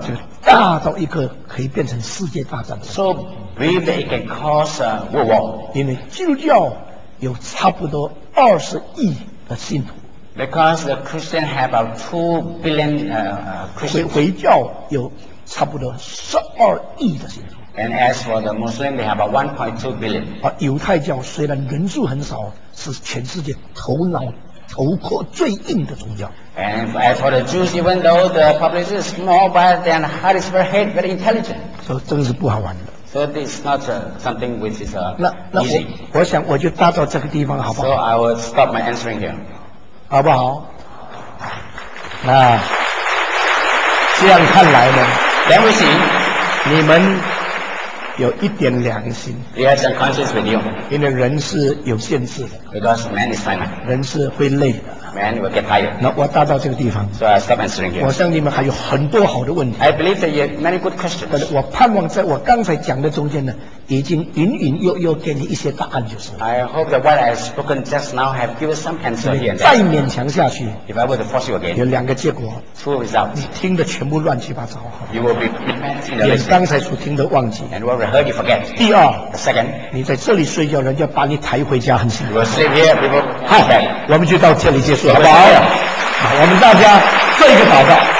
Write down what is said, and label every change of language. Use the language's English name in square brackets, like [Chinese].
[Chinese] 就大到一个可以变成世界大战。 [English] So believe that it can cause a world war. [Chinese] 因为基督教有差不多20亿的信徒。 [English] Because the Christian have about 2 billion Christians. [Chinese] 回教有差不多12亿的信徒。 [English] And as for the Muslim, they have about 1.2 billion. [Chinese] 而犹太教虽然人数很少，是全世界头壳最硬的宗教。 [English] And as for the Jews, even though the population is small, but their heart is very head, very intelligent. [Chinese] So 这个是不好玩的。 [English] So this is not something which is easy. [Chinese] 那我想我就搭到这个地方好不好 [English] ？So I will stop my answering here. [Chinese] 好不好？那这样看来呢 [English] ？Then we see, [Chinese] 你们。有一点良心 [English] you have some conscience with you. [Chinese] 因为人是有限制的 [English] Because man is finite. [Chinese] 人是会累的 [English] Man will get tired. [Chinese] 那我搭到这个地方 [English] So I stop answering you. [Chinese] 我想你们还有很多好的问题 [English] I believe that you have many good questions. [Chinese] 但是我盼望在我刚才讲的中间呢已经隐隐约约给你一些答案就是 [English] I hope that what I have spoken just now have given some answer here. [Chinese] 再勉强下去 [English] If I were to force you again. [Chinese] 有两个结果 [English] Two results. [Chinese] 你听得全部乱七八糟 [English] You will be mad. [Chinese] 连刚才所听的忘记 [English] And what we heard you forget. [Chinese] 第二 [English] The second. [Chinese] 你在这里睡觉人家把你抬回家很辛苦 [English] You will sleep here. People. [Chinese] 好我们就到这里结束好不好我们大家做一个祷告